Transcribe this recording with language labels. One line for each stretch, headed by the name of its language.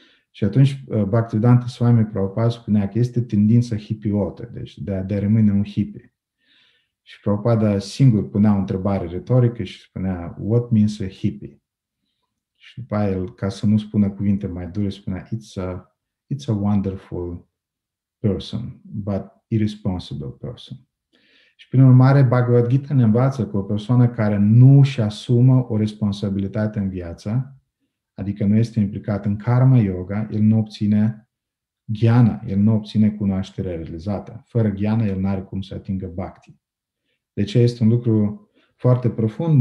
Romanian: Și atunci Bhaktivedanta Swami Prabhupada spunea că este tendința hipiotă, deci de a rămâne un hipi. Și Prabhupada singur punea o întrebare retorică și spunea:
English: what means a hippie?
Romanian: Și după el, ca să nu spună cuvinte mai dure, spunea:
English: it's a wonderful person, but irresponsible person.
Romanian: Și prin urmare, Bhagavad Gita ne învață că o persoană care nu își asumă o responsabilitate în viață, adică nu este implicat în karma yoga, el nu obține gyana, el nu obține cunoașterea realizată. Fără gyana, el n-are cum să atingă bhakti. Deci este un lucru foarte profund.